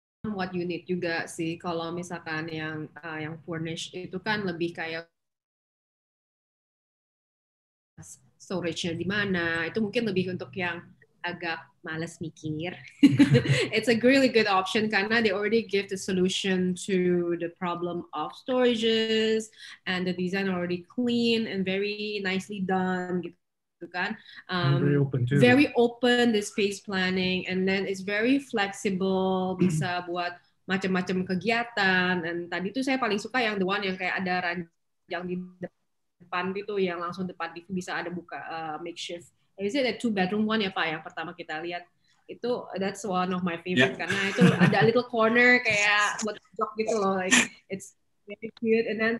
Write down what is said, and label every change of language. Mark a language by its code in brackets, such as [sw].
[en] What unit [id] juga sih, kalau misalkan yang furnished itu kan lebih kayak storage-nya di mana, itu mungkin lebih untuk yang agak malas mikir. [en] It's a really good option [id] karena [en] they already give the solution to the problem of storages and the design already clean and very nicely done [id] gitu kan. [en] Very open the space planning and then it's very flexible, [id] bisa buat macam-macam kegiatan. And tadi tuh saya paling suka yang [en] the one [id] yang kayak ada ranjang di depan itu, yang langsung depan itu bisa ada buka makeshift. [en] Is it a two bedroom one [id] ya Pak yang pertama kita lihat? [en] Itu that's one of my favorite [id] karena itu ada [en] little corner [id] kayak buat cocok gitu loh, [en] like it's very cute and then